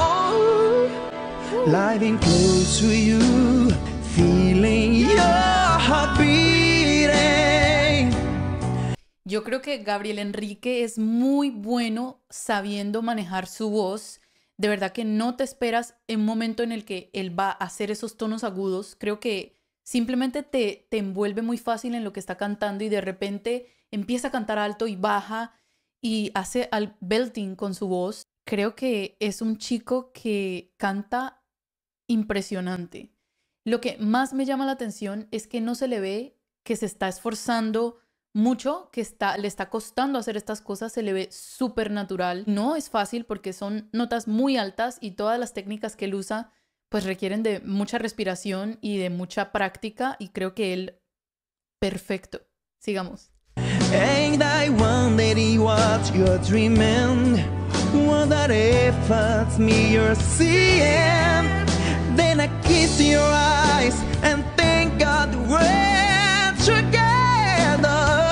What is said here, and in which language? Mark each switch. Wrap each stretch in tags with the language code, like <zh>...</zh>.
<en>Oh. Living close to you, feeling your heart beating.</en> <es>Yo creo que Gabriel Enrique es muy bueno sabiendo manejar su voz. De verdad que no te esperas en un momento en el que él va a hacer esos tonos agudos. Creo que simplemente te envuelve muy fácil en lo que está cantando y de repente empieza a cantar alto y baja y hace al belting con su voz. Creo que es un chico que canta impresionante. Lo que más me llama la atención es que no se le ve que se está esforzando mucho, que le está costando hacer estas cosas, se le ve súper natural. No es fácil porque son notas muy altas y todas las técnicas que él usa pues requieren de mucha respiración y de mucha práctica y creo que él, perfecto. Sigamos.</es> <en>And I wonder what you're dreaming. Wonder if it's me you're seeing. Then I kiss your eyes and thank God we're together.</en>